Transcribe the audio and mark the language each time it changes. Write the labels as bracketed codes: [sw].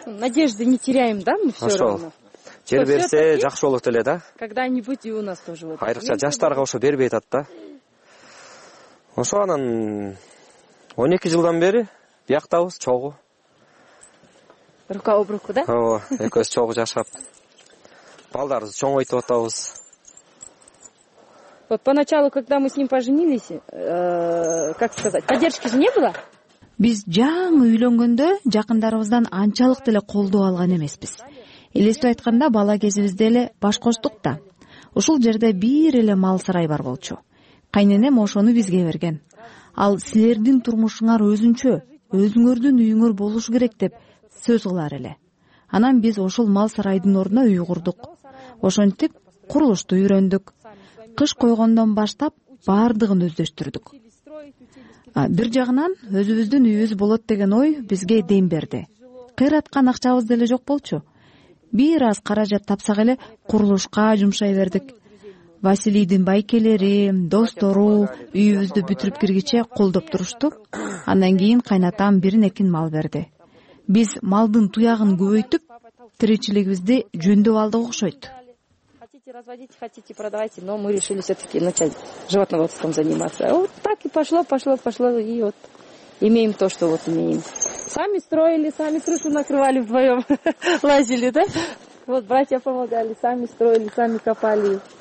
[ru] Надежды не теряем, да, мы всё равно. [ky] Жер берсе жакшы болот эле да. [ru] Когда-нибудь и у нас тоже вот. [ky] Айрыкча жаштарга ошо бербей атат да. Ошо анан 12 жылдан бери бияктабыз чогуу. [ru] Рука об руку, да? [ky] Ооба, экөөбүз чогуу жашап. Балдарыбызды чоңойтуп атабыз. [ru] Вот поначалу, когда мы с ним поженились, как сказать, поддержки же не было? [ky] Биз жаңы үйлөнгөндө жакындарыбыздан анчалык деле колдоо алган эмеспиз. Элестетип айтканда, бала кезибизде эле баш коштук да. Ушул жерде бир эле мал сарай бар болчу. Кайненем ошону бизге берген. Ал силердин турмушуңар өзүнчө, өзүңөрдүн үйүңөр болушу керек деп сөз кылар эле. Анан биз ошол мал сарайдын ордуна үй курдук. Ошентип курулушту үйрөндүк. Кыш койгондон баштап бардыгын өздөштүрдүк. Бир жагынан өзүбүздүн үйүбүз болот деген ой бизге дем берди. Кыйраткан акчабыз деле жок болчу. Бир аз каражат тапсак эле курулушка жумшай бердик. Василийдин байкелери, достору үйүбүздү бүтүрүп киргиче колдоп турушту. Андан кийин кайнатам бирин-экин мал берди. Биз малдын туягын көбөйтүп, тиричилигибизди жөндөп алдык окшойт. [ru] Хотите разводить, хотите продавать, но мы решили всё-таки начать животноводством заниматься. Вот так и пошло, и вот имеем то, что вот имеем. Сами строили, сами крышу накрывали вдвоём, лазили, да? Вот братья помогали, сами строили, сами копали.